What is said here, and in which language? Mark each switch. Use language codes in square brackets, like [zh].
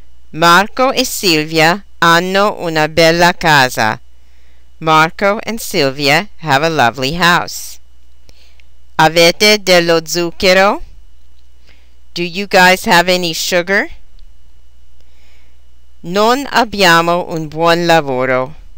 [it] Marco e Silvia hanno una bella casa. [en] Marco and Silvia have a lovely house. [it] Avete dello zucchero? [en] Do you guys have any sugar? [it] Non abbiamo un buon lavoro.